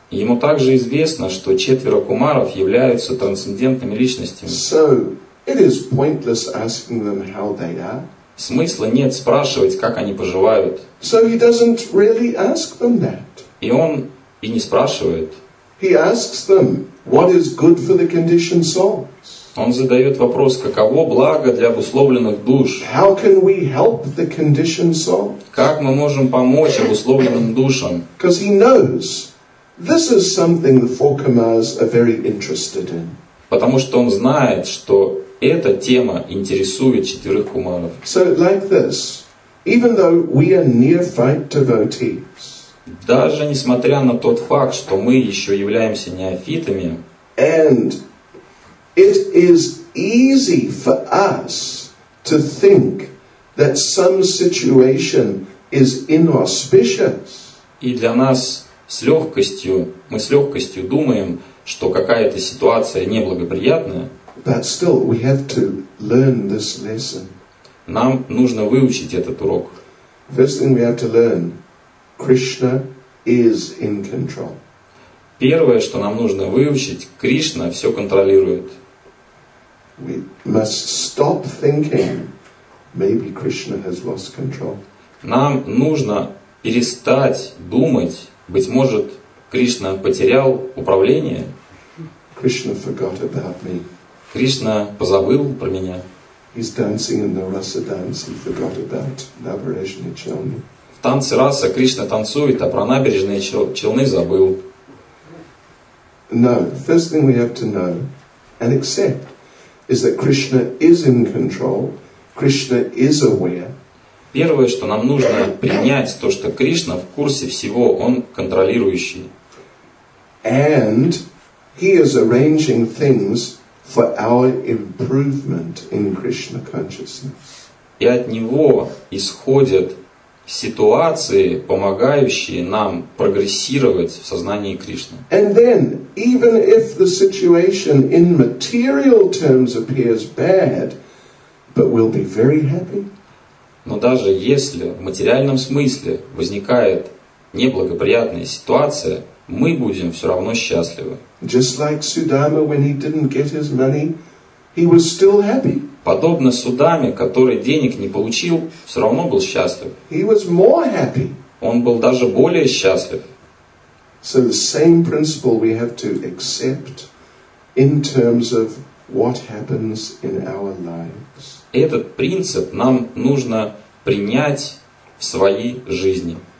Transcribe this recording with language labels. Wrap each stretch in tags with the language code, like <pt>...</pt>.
<ru>Ему также известно, что четверо кумаров являются трансцендентными личностями.</ru> <en>So, it is pointless asking them how they are.</en> <ru>Смысла нет спрашивать, как они поживают.</ru> <en>So he doesn't really ask them that.</en> <ru>И он и не спрашивает.</ru> <en>He asks them what is good for the conditioned souls.</en> <ru>Он задает вопрос, каково благо для обусловленных душ.</ru> <en>How can we help the conditioned soul?</en> <ru>Как мы можем помочь обусловленным душам?</ru> <en>Because he knows this is something the four kamas are very interested in.</en> <ru>Потому что он знает, что эта тема интересует четверых кумаров.</ru> <en>So like this, even though we are neophyte devotees,</en> <ru>даже несмотря на тот факт, что мы еще являемся неофитами,</ru> <en>and it is easy for us to think that some situation is inauspicious.</en> <ru>И для нас с легкостью думаем, что какая-то ситуация неблагоприятная.</ru> <en>But still, we have to learn this lesson.</en> <ru>Нам нужно выучить этот урок.</ru> <en>First thing we have to learn: Krishna is in control.</en> <ru>Первое, что нам нужно выучить, Кришна все контролирует.</ru> <en>We must stop thinking maybe Krishna has lost control.</en> <ru>Нам нужно перестать думать, быть может, Кришна потерял управление.</ru> <en>Krishna forgot about me.</en> <ru>Кришна позабыл про меня.</ru> <en>He's dancing in the rasa dance. He forgot about Navarajna Chelni.</en> <ru>В танце раса Кришна танцует, а про набережные Челны забыл.</ru> <en>No, first thing we have to know and accept is that Krishna is in control. Krishna is aware.</en> <ru>Первое, что нам нужно принять, то, что Кришна в курсе всего, он контролирующий.</ru> <en>And he is arranging things for our improvement in Krishna consciousness.</en> <ru>И от него исходят ситуации, помогающие нам прогрессировать в сознании Кришны.</ru> <en>And then, even if the situation in material terms appears bad, but we'll be very happy.</en> <ru>Но даже если в материальном смысле возникает неблагоприятная ситуация, мы будем все равно счастливы.</ru> <en>Just like Sudama, when he didn't get his money, he was still happy.</en> <ru>Подобно Судаме, который денег не получил, все равно был счастлив.</ru> <en>He was more happy.</en> <ru>Он был даже более счастлив.</ru> <en>So the same principle we have to accept in terms of what happens in our lives.</en> <ru>Этот принцип нам нужно принять в своей жизни.</ru>